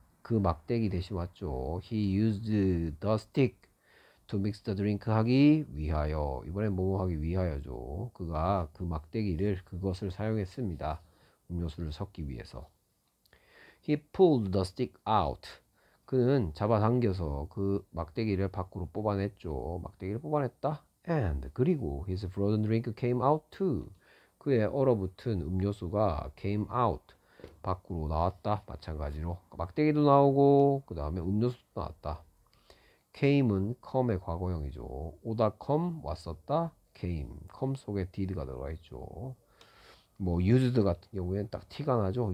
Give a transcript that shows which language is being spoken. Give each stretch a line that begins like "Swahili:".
Korean: 그 막대기 대신 왔죠.
English: He used the stick to mix the drink
Korean: 하기 위하여. 이번에 뭐 하기 위하여죠. 그가 그 막대기를 그것을 사용했습니다. 음료수를 섞기 위해서.
English: He pulled the stick out.
Korean: 그는 잡아당겨서 그 막대기를 밖으로 뽑아냈죠. 막대기를 뽑아냈다.
English: And
Korean: 그리고
English: his frozen drink came out too.
Korean: 그의 얼어붙은 음료수가
English: came out
Korean: 밖으로 나왔다. 마찬가지로 막대기도 나오고 그 다음에 음료수도 나왔다. came은 come의 과거형이죠. 오다 come 왔었다. came come 속에 did가 들어가 있죠. 뭐 used 같은 경우에는 딱 티가 나죠.